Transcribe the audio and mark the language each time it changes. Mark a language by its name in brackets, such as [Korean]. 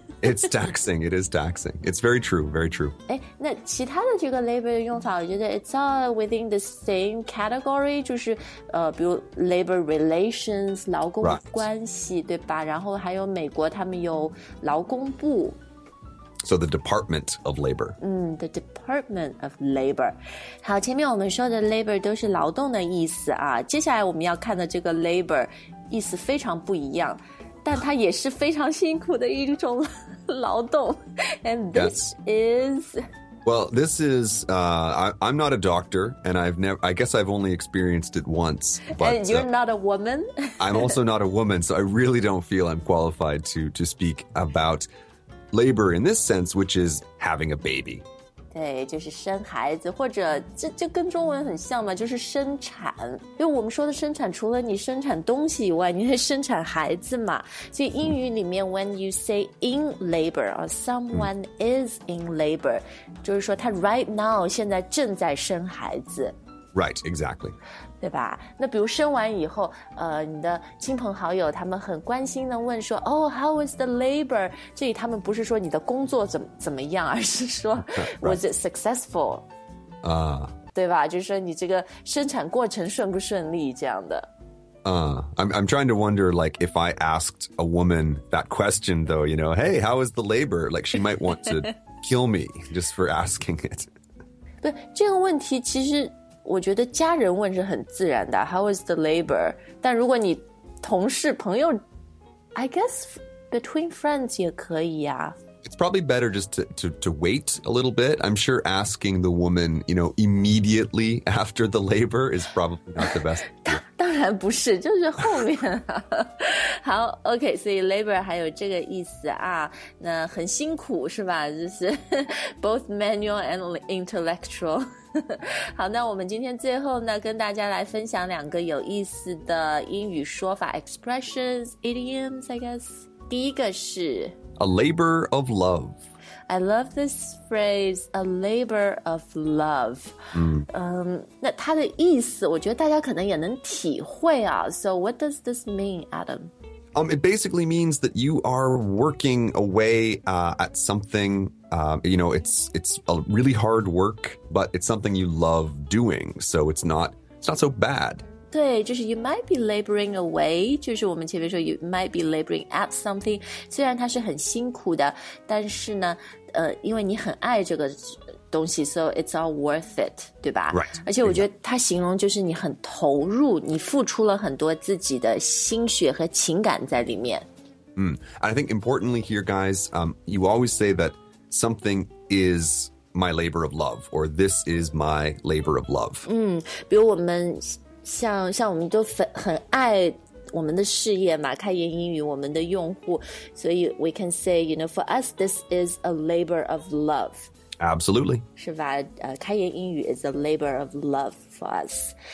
[English] It's taxing, it is taxing. It's very true, very true. [Chinese] 那其他的这个 labor 用法我觉得 [English] it's all within the same category, [Chinese] 就是、比如 labor relations, 劳工关系、 [English] right. [Chinese] 对吧然后还有美国他们有劳工部。 [English] So the Department of Labor.、 The Department of Labor. [Chinese] 好前面我们说的 labor 都是劳动的意思啊接下来我们要看的这个 labor 意思非常不一样。但它也是非常辛苦的一种劳动 [English] And this、 yes. is Well, this is、I'm not a doctor And I guess I've only experienced it once but, And you're、not a woman I'm also not a woman So I really don't feel I'm qualified to speak about labor in this sense Which is having a baby [Chinese] 对就是生孩子或者这跟中文很像嘛就是生产因为我们说的生产除了你生产东西以外你还生产孩子嘛所以英语里面、mm. [English] when you say in labor or someone、mm. [Chinese] is in labor 就是说他 right now 现在正在生孩子 [English] right exactly [Chinese] 对吧那比如生完以后你的亲朋好友他们很关心的问说 [English] oh how was the labor [Chinese] 这里他们不是说你的工作怎么样而是说 [English] was it successful [Chinese] 啊、对吧就是说你这个生产过程顺不顺利这样的 [English] I'm trying to wonder, like, if I asked a woman that question, though, you know, hey, how was the labor? Like, she might want to kill me just for asking it. [Chinese] 不，这个问题其实我觉得家人问是很自然的 [English] How was the labor? [Chinese] 但如果你同事朋友 [English] I guess between friends [Chinese] 也可以啊 [English] It's probably better just to wait a little bit. I'm sure asking the woman, you know, immediately after the labor is probably not the best idea. [Chinese] 当然不是就是后面、好 OK 所以 labor 还有这个意思啊那很辛苦是吧就是 [English] both manual and intellectual [Chinese] 好，那我们今天最后呢，跟大家来分享两个有意思的英语说法 [English] expressions, idioms, I guess. [Chinese] 第一个是 [English] A labor of love. I love this phrase, a labor of love. [Chinese] 那它的意思我觉得大家可能也能体会啊。 [English] So what does this mean, Adam? It basically means that you are working away at something. You know, it's a really hard work, but it's something you love doing. So it's not so bad. [Chinese] 对，就是 [English] you might be laboring away. [Chinese] 就是我们前面说 [English] you might be laboring at something. [Chinese] 虽然它是很辛苦的，但是呢，因为你很爱这个东西 ， [English] so it's all worth it， [Chinese] 对吧 [English] ？Right. [Chinese] 而且我觉得它形容就是你很投入，你付出了很多自己的心血和情感在里面。 [English] I think importantly here, guys, you always say that something is my labor of love, or this is my labor of love. [Chinese] 比如我们像我们都很爱。我们的事业嘛，开言英语，我们的用户，所以 [English] we can say, you know, for us, this is a labor of love. Absolutely. [Chinese] 是吧？ [English] 开言英语 is a labor of love for us.